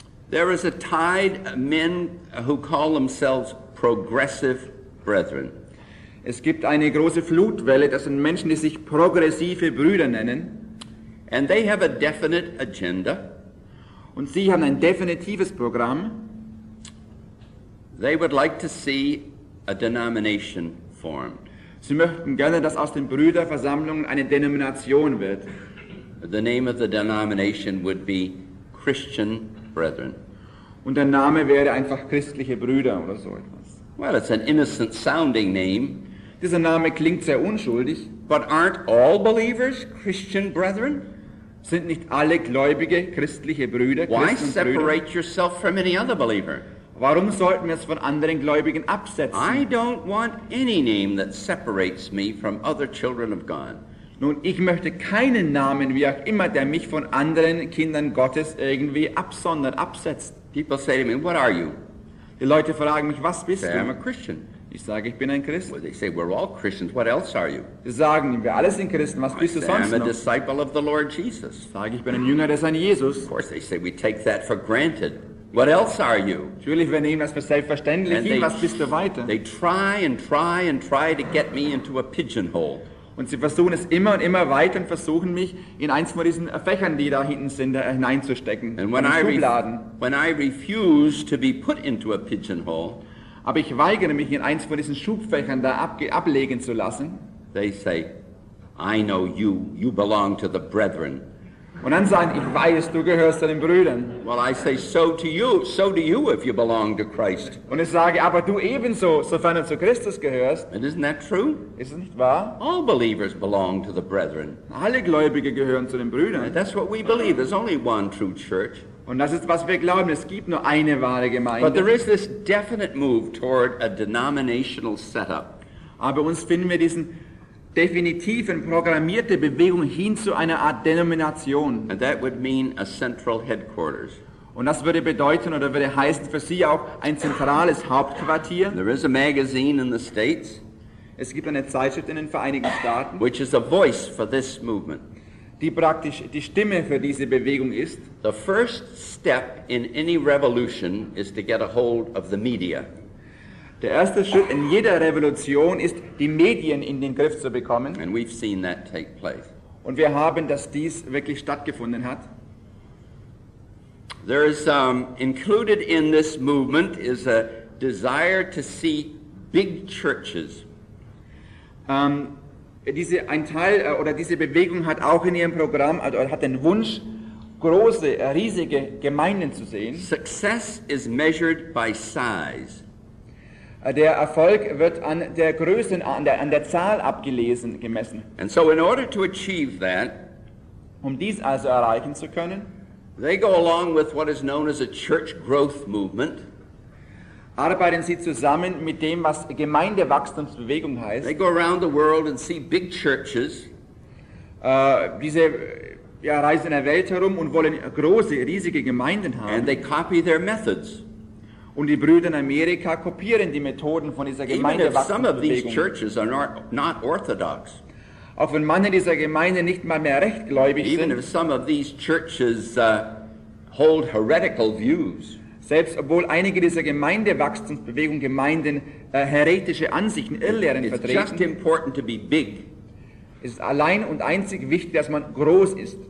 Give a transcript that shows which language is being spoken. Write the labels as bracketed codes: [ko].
[en] There is a tide of men who call themselves progressive brethren. [de] Es gibt eine große Flutwelle, das sind Menschen, die sich progressive Brüder nennen. [en] And they have a definite agenda. [de] Und sie haben ein definitives Programm. [en] They would like to see a denomination formed. [de] Sie möchten gerne, dass aus den Brüderversammlungen eine Denomination wird. [en] The name of the denomination would be Christian Brethren. [de] Und der Name wäre einfach christliche Brüder oder so etwas. [en] Well, it's an innocent sounding name. [de] Dieser Name klingt sehr unschuldig. [en] But aren't all believers Christian brethren? [de] Sind nicht alle Gläubige christliche Brüder? [en] Why separate yourself from any other believer? [de] Warum sollten wir es von anderen Gläubigen absetzen? [en] I don't want any name that separates me from other children of God. [de] Nun, ich möchte keinen Namen, wie auch immer, der mich von anderen Kindern Gottes irgendwie absondert, absetzt. [en] People say to me, what are you? [de] Die Leute fragen mich, was bist du? [en] I'm a Christian. [de] Ich sage, ich bin ein Christ. [en] Well, they say, we're all Christians. What else are you? [de] Sie sagen, wir alle sind Christen. Was bist du sonst noch? [en] I'm a disciple of the Lord Jesus. [de] Ich sage, ich bin ein Jünger des Herrn Jesus. [en] Of course, they say, we take that for granted. What else are you? [de] Natürlich, wir nehmen das für selbstverständlich. Was bist du weiter? [en] They try and try and try to get me into a pigeonhole. [de] Und sie versuchen es immer und immer weiter und versuchen mich in eins von diesen Fächern, die da hinten sind, hineinzustecken. [en] And when [de] in den Schubladen. [en] When I refuse to be put into a pigeonhole, [de] aber ich weigere mich, in eins von diesen Schubfächern da ablegen zu lassen. [en] They say, I know you. You belong to the brethren. [de] Und dann sagen, ich weiß, du gehörst zu den Brüdern. [en] Well, I say, so to you. So do you if you belong to Christ. [de] Und ich sage, aber du ebenso, sofern du zu Christus gehörst. [en] And isn't that true? [de] Ist es nicht wahr? [en] All believers belong to the brethren. [de] Alle Gläubige gehören zu den Brüdern. [en] And that's what we believe. There's only one true church. [de] Und das ist, was wir glauben. Es gibt nur eine wahre Gemeinde. [en] But there is this definite move toward a denominational setup. [de] Aber uns finden wir diesen definitiv eine programmierte Bewegung hin zu einer Art Denomination. [en] And that would mean a central headquarters. [de] Und das würde bedeuten oder würde heißen für Sie auch ein zentrales Hauptquartier. [en] There is a magazine in the States. [de] Es gibt eine Zeitschrift in den Vereinigten Staaten. [en] Which is a voice for this movement. [de] Die praktisch die Stimme für diese Bewegung ist. [en] The first step in any revolution is to get a hold of the media. [de] Der erste Schritt in jeder Revolution ist, die Medien in den Griff zu bekommen. [en] And we've seen that take place. [de] Und wir haben, dass dies wirklich stattgefunden hat. [en] There is included in this movement is a desire to see big churches. [de] Diese Bewegung hat auch in ihrem Programm, also hat den Wunsch, große, riesige Gemeinden zu sehen. [en] Success is measured by size. [de] Der Erfolg wird an der Größe, an der Zahl abgelesen, gemessen. [en] And so in order to achieve that, [de] um dies also erreichen zu können, [en] they go along with what is known as a church growth movement. [de] Arbeiten sie zusammen mit dem, was Gemeindewachstumsbewegung heißt. [en] They go around the world and see big churches. [de] Diese reisen in der Welt herum und wollen große, riesige Gemeinden haben. [en] And they copy their methods. [de] Und die Brüder in Amerika kopieren die Methoden von dieser Gemeindewachstumsbewegung. [en] Some of these churches are not orthodox. [de] Auch wenn manche dieser Gemeinden nicht mal mehr rechtgläubig sind. [en] Even if some of these churches hold heretical views. [de] Selbst obwohl einige dieser Gemeindewachstumsbewegung Gemeinden heretische Ansichten, Irrlehren vertreten. [en] It's just important to be big. [de] Ist allein und einzig wichtig, dass man groß ist.